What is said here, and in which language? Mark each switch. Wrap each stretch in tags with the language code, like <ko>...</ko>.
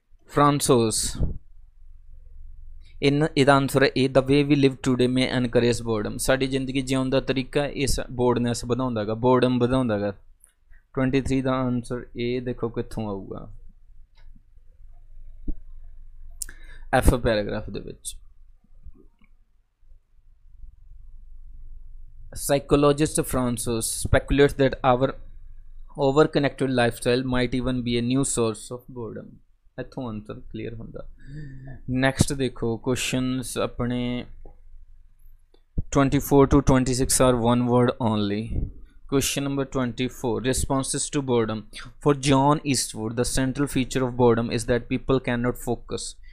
<en>ਫਰਾਂਸੋਸ,</en> <pa>ਇਹਦਾ ਆਨਸਰ ਹੈ ਇਹ,</pa> <en>The way we live today may encourage boredom.</en> <pa>ਸਾਡੀ ਜ਼ਿੰਦਗੀ ਜਿਉਣ ਦਾ ਤਰੀਕਾ ਇਸ ਬੋਰਡਨੈਸ ਵਧਾਉਂਦਾ ਗਾ, ਬੋਰਡਮ ਵਧਾਉਂਦਾ ਗਾ. 23 ਦਾ ਆਨਸਰ ਇਹ ਦੇਖੋ ਕਿੱਥੋਂ ਆਊਗਾ, ਐਫ ਪੈਰਾਗ੍ਰਾਫ ਦੇ ਵਿੱਚ.</pa> <en>Psychologist Francois speculates that our over-connected lifestyle might even be a new source of boredom.</en> <pa>ਇੱਥੋਂ ਆਨਸਰ ਕਲੀਅਰ ਹੁੰਦਾ. ਨੈਕਸਟ ਦੇਖੋ ਕੁਸ਼ਚਨਸ ਆਪਣੇ 24-26</pa> <en>Are one word only. Question number 24, responses to boredom. For John Eastwood the central feature of boredom is that people can not focus.</en>